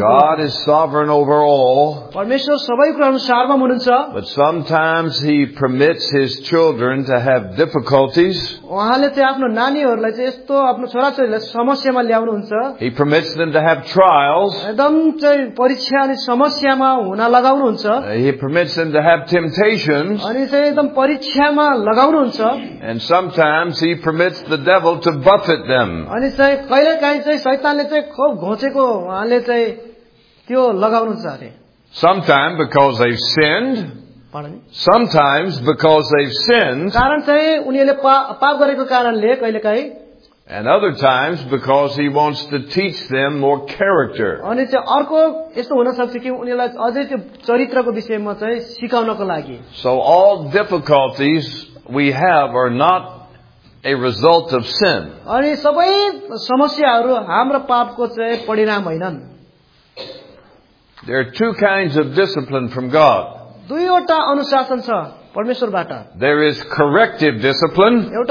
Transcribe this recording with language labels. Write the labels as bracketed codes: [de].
[en] God is sovereign over all. [ne] परमेश्वर सबै कुराहरू सार्वभौम हुनुहुन्छ. [en] But sometimes he permits his children to have difficulties. [ne] उहाँले चाहिँ आफ्नो नानीहरूलाई चाहिँ यस्तो आफ्नो छोराछोरीलाई समस्यामा ल्याउनुहुन्छ. [en] He permits them to have trials. [ne] एकदम चाहिँ परीक्षा अनि समस्यामा हुन लगाउनुहुन्छ. [en] He permits them to have temptations. [ne] अनि चाहिँ एकदम परीक्षामा लगाउनुहुन्छ. [en] And sometimes he permits the devil to buffet them. [ne] अनि चाहिँ कहिलेकाहीँ चाहिँ शैतानले चाहिँ खुब घोचेको उहाँले चाहिँ त्यो लगाउनुहुन्छ अरे. [en] Sometimes because they've sinned. Sometimes because they've sinned. [ne] कारण चाहिँ उनीहरूले पाप गरेको कारणले कहिलेकाहीँ. [en] And other times because he wants to teach them more character. [ne] अनि चाहिँ अर्को यस्तो हुन सक्छ कि उनीहरूलाई अझै त्यो चरित्रको विषयमा चाहिँ सिकाउनको लागि. [en] So all difficulties we have are not a result of sin. [ne] अनि सबै समस्याहरू हाम्रो पापको चाहिँ परिणाम होइनन्. [en] There are two kinds of discipline from God. [ne] दुईवटा अनुशासन छ [en] There is corrective discipline.